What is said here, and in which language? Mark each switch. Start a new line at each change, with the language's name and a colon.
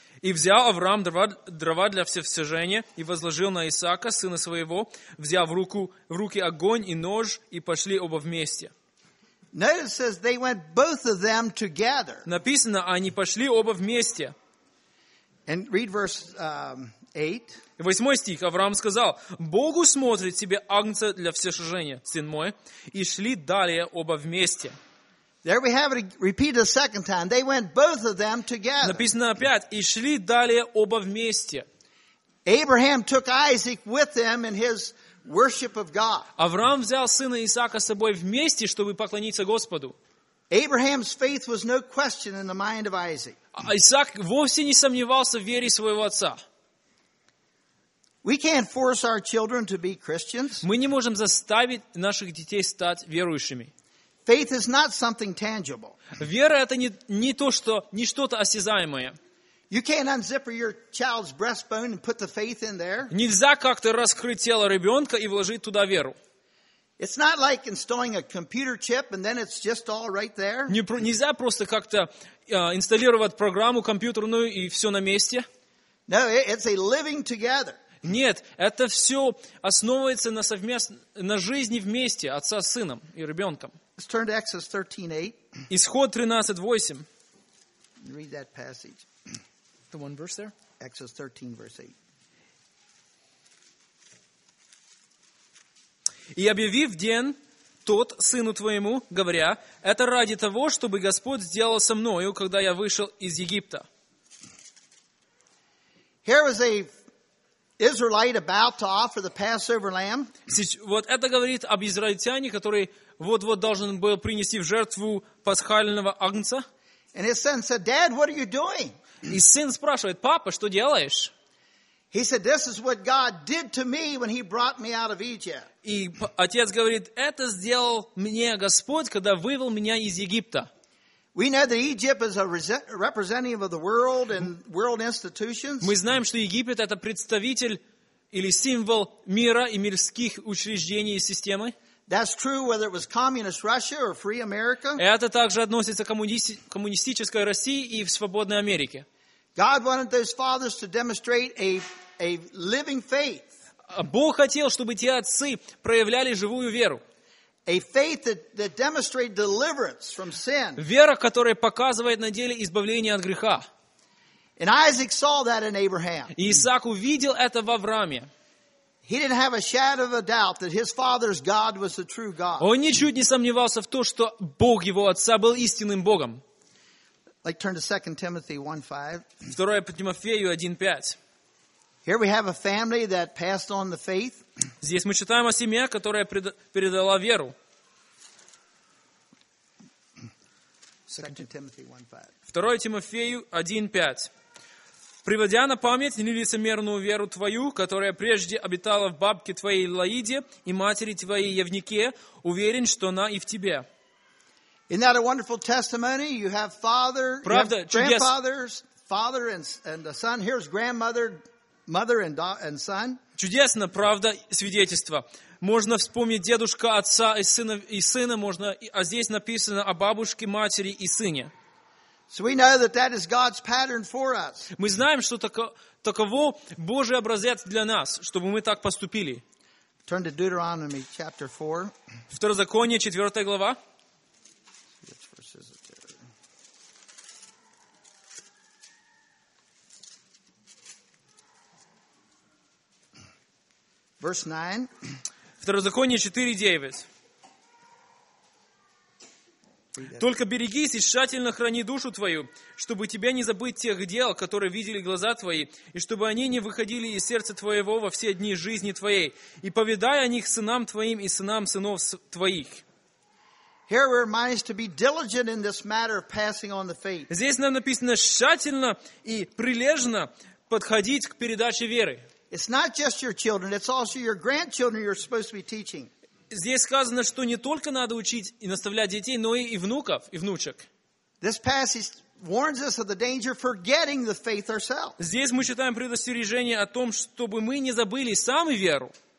Russian: И взял Авраам дрова для всесожжения и возложил на Исаака, сына своего, взяв в руки огонь и нож, и пошли оба вместе.
English: Notice says they went both of them together.
Russian: Написано, они пошли оба вместе.
English: And read verse 8.
Russian: 8 стих. Авраам сказал, Богу смотрит себе агнца для всесожжения, сын мой, и шли далее оба вместе.
English: There we have it repeated a second time. They went both of them together.
Russian: Написано опять, и шли далее оба вместе.
English: Abraham took Isaac with him in his worship of God.
Russian: Авраам взял сына Исаака с собой вместе, чтобы поклониться Господу.
English: Abraham's faith was no question in the mind of Isaac.
Russian: Исаак вовсе не сомневался в вере своего отца.
English: We can't force our children to be Christians.
Russian: Мы не можем заставить наших детей стать верующими.
English: Faith is not something tangible.
Russian: Вера это не что-то осязаемое.
English: You can't unzipper your child's breastbone and put the faith in there.
Russian: Нельзя как-то раскрыть тело ребенка и вложить туда веру.
English: It's not like installing a computer chip and then it's just all right there.
Russian: Нельзя просто как-то инсталлировать программу компьютерную и все на месте.
English: No, it's a living together.
Russian: Нет, это все основывается на жизни вместе отца с сыном и ребенком.
English: Let's turn to Exodus 13:8.
Russian: Исход 13:8.
English: Read that passage. The one verse there. Exodus 13, verse 8.
Russian: И объявив день тот сыну твоему, говоря, это ради того, чтобы Господь сделал со мною, когда я вышел из Египта.
English: Here was a Israelite about to offer the Passover lamb.
Russian: Вот это говорит об израильтяне, который вот-вот должен был принести в жертву пасхального агнца.
English: And his son said, Dad, what are you doing?
Russian: И сын спрашивает, папа, что делаешь?
English: He said, this is what God did to me when he brought me out of Egypt.
Russian: И отец говорит, это сделал мне Господь, когда вывел меня из Египта.
English: We know that Egypt is a representative of the world and world institutions.
Russian: Мы знаем, что Египет это представитель или символ мира и мирских учреждений и системы.
English: That's true, whether it was communist Russia or free America.
Russian: Это также относится к коммунистической России и в свободной Америке.
English: God wanted those fathers to demonstrate a living faith.
Russian: Бог хотел, чтобы те отцы проявляли живую веру.
English: A faith that demonstrates deliverance from sin.
Russian: Вера, которая показывает на деле избавление от греха.
English: And Isaac saw that in Abraham.
Russian: И Исаак увидел это в Аврааме.
English: He didn't have a shadow of a doubt that his father's God was the true God.
Russian: Он ничуть не сомневался в том, что Бог его отца был истинным Богом.
English: Like turn to 2 Timothy 1:5.
Russian: 2 Тимофею 1:5.
English: Here we have a family that passed on the faith.
Russian: Здесь мы читаем о семье, которая передала веру. 2 Тимофею 1:5. «Приводя на память нелицемерную веру твою, которая прежде обитала в бабке твоей Лоиде и матери твоей Евнике, уверен, что она и в тебе».
English: Isn't that a wonderful testimony? You have father,
Russian: правда,
English: you have grandfathers, father and a son. Here's grandmother, mother and son.
Russian: Чудесно, правда, свидетельство. Можно вспомнить дедушка, отца и сына можно, а здесь написано о бабушке, матери и сыне.
English: So we know that that is God's pattern for us.
Russian: Мы знаем, что таково Божий образец для нас, чтобы мы так поступили.
English: Turn to Deuteronomy chapter 4.
Russian: Второзаконие, 4 глава.
English: Verse 9.
Russian: Второзаконие 4:9. Только берегись и тщательно храни душу твою, чтобы тебе не забыть тех дел, которые видели глаза твои, и чтобы они не выходили из сердца твоего во все дни жизни твоей, и поведай о них сынам твоим и сынам сынов твоих.
English: Here we're reminded to be diligent in this matter of passing on the faith.
Russian: Здесь нам написано тщательно и прилежно подходить к передаче веры.
English: It's not just your children, it's also your grandchildren you're supposed to be teaching.
Russian: Здесь сказано, что не только надо учить и наставлять детей, но и внуков, и внучек.
English: This passage warns us of the danger of forgetting the faith ourselves.
Russian: Здесь мы читаем предостережение о том, чтобы мы не забыли сами веру.